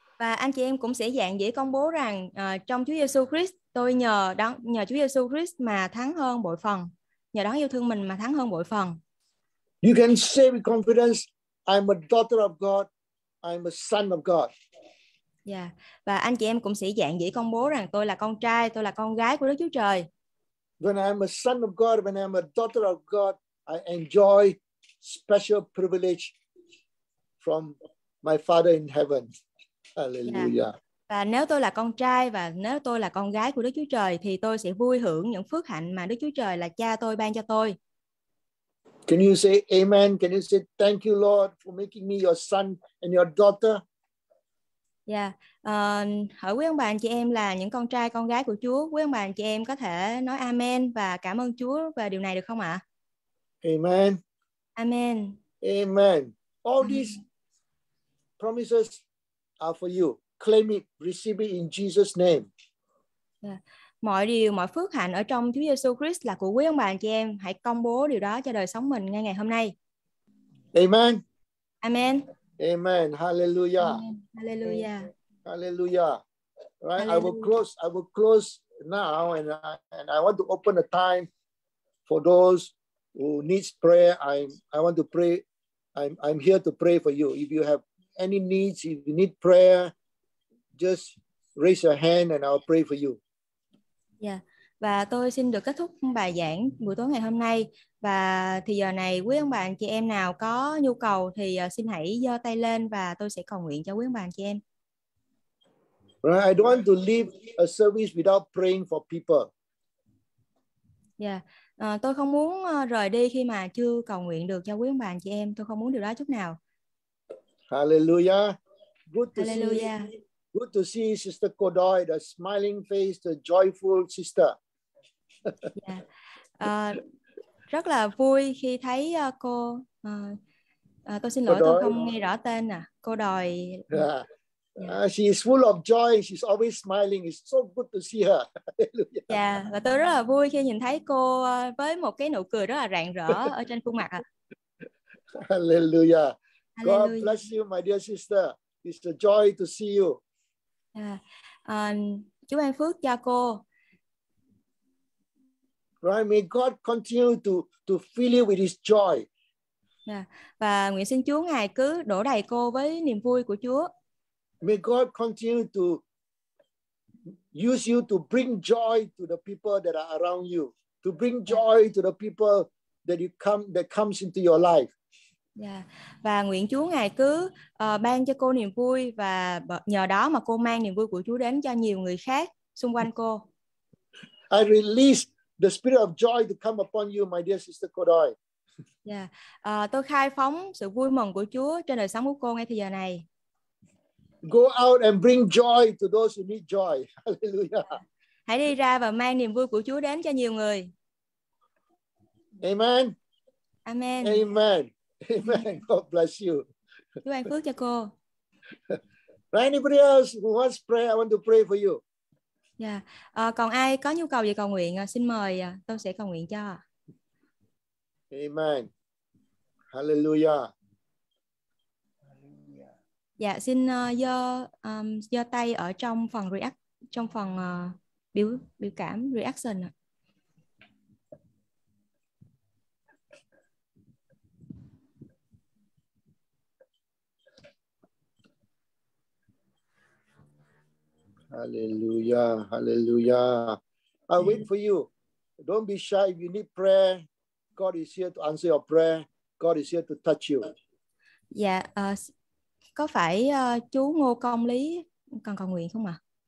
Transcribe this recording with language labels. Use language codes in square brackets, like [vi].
[vi] Và anh chị em cũng sẽ giảng dễ công bố rằng trong Chúa Giêsu Christ tôi nhờ Chúa Giêsu Christ mà thắng hơn bội phần, nhờ đó yêu thương mình mà thắng hơn bội phần. [en] You can say with confidence, I'm a daughter of God, I'm a son of God. Yeah. [vi] Và anh chị em cũng sẽ giảng dễ công bố rằng tôi là con trai, tôi là con gái của Đức Chúa Trời. [en] When I'm a son of God, when I'm a daughter of God, I enjoy special privilege from my Father in heaven. Hallelujah. [vi] Và nếu tôi là con trai và nếu tôi là con gái của Đức Chúa Trời thì tôi sẽ vui hưởng những phước hạnh mà Đức Chúa Trời là cha tôi ban cho tôi. [en] Can you say amen? Can you say thank you Lord for making me your son and your daughter? Yeah. [vi] Hỏi quý ông bà anh chị em là những con trai con gái của Chúa, quý ông bà anh chị em có thể nói amen và cảm ơn Chúa về điều này được không ạ? [en] Amen. Amen. Amen. All these promises are for you. Claim it, receive it in Jesus' name. Yeah. [vi] Mọi điều, mọi phước hạnh ở trong Chúa Giêsu Christ là của quý ông bà anh chị em. Hãy công bố điều đó cho đời sống mình ngay ngày hôm nay. [en] Amen. Amen. Amen. Hallelujah. Amen. Hallelujah. Amen. Hallelujah. Right. Hallelujah. I will close now, and I want to open a time for those who needs prayer. I want to pray. I'm here to pray for you. If you have any needs, if you need prayer, just raise your hand and I'll pray for you. Yeah. [vi] Và tôi xin được kết thúc bài giảng buổi tối ngày hôm nay. Và thì giờ này quý ông bà anh chị em nào có nhu cầu thì xin hãy giơ tay lên và tôi sẽ cầu nguyện cho quý ông bà anh chị em. [en] Right. I don't want to leave a service without praying for people. Yeah. [vi] Tôi không muốn rời đi khi mà chưa cầu nguyện được cho quý ông bà anh chị em. Tôi không muốn điều đó chút nào. [en] Hallelujah. Good to Hallelujah. See. Good to see Sister Kodoy, the smiling face, the joyful sister. [vi] Yeah. Rất là vui khi thấy cô. Tôi xin lỗi, tôi không nghe rõ tên à. Cô Đòi. [en] Yeah. She is full of joy. She's always smiling. It's so good to see her. Hallelujah. Yeah. [vi] Và tôi rất là vui khi nhìn thấy cô với một cái nụ cười rất là rạng rỡ ở trên khuôn mặt. [en] Hallelujah. God bless you, my dear sister. It's a joy to see you. [vi] Chúc ban phước cho cô. [en] Right, may God continue to fill you with His joy. [vi] Và nguyện xin Chúa ngài cứ đổ đầy cô với niềm vui của Chúa. [en] May God continue to use you to bring joy to the people that are around you, to bring joy to the people that comes into your life. Yeah. [vi] Và nguyện Chúa ngài cứ ban cho cô niềm vui và nhờ đó mà cô mang niềm vui của Chúa đến cho nhiều người khác xung quanh cô. [en] I release the spirit of joy to come upon you, my dear sister Kodoy. Yeah. [vi] Tôi khai phóng sự vui mừng của Chúa trên đời sống của cô ngay thời giờ này. [en] Go out and bring joy to those who need joy. Hallelujah. [vi] Hãy đi ra và mang niềm vui của Chúa đến cho nhiều người. [en] Amen. Amen. Amen. Amen. God bless you. [vi] Chúc ban phước cho cô. [en] Anybody else who wants prayer, I want to pray for you. Yeah. [vi] Còn ai có nhu cầu gì cầu nguyện, xin mời, tôi sẽ cầu nguyện cho. [en] Amen. Hallelujah. Yeah. [vi] Xin giơ tay ở trong phần react, trong phần biểu cảm reaction. [en] Hallelujah, hallelujah. I wait for you. Don't be shy. If you need prayer, God is here to answer your prayer. God is here to touch you. [vi] Yeah, có phải chú Ngô Công Lý cần cầu nguyện không ạ?